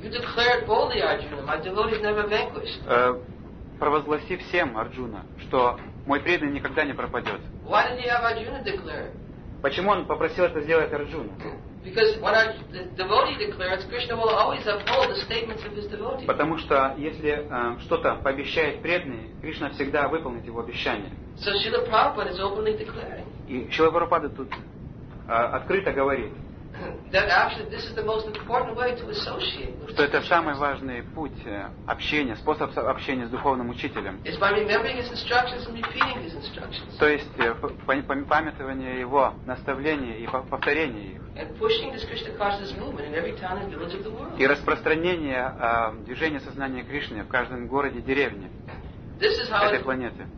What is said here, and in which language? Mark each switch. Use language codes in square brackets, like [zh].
[en] You declared boldly, Arjuna, my devotee is never vanquished. [ru] Провозгласи всем, Арджуна, что мой преданный никогда не пропадет. [en] Why did he have Arjuna declare? [ru] Почему он попросил это сделать Арджуну? [en] Because when the devotee declares, Krishna will always uphold the statements of his devotee. [ru] Потому что если что-то пообещает преданный, Кришна всегда выполнит его обещание. [en] So Śrīla Prabhupāda is openly declaring. [ru] И Śrīla Prabhupāda тут открыто говорит. [en] That actually this is the most important way to associate with. [ru] Что это самый важный путь общения, способ общения с духовным учителем. [en] Is by remembering his instructions and repeating his instructions. [ru] То есть памятование его наставлений и повторение их. [en] And pushing this Krishna consciousness movement in every town and village of the world. [ru] И распространение движения сознания Кришны в каждом городе, деревне этой планеты.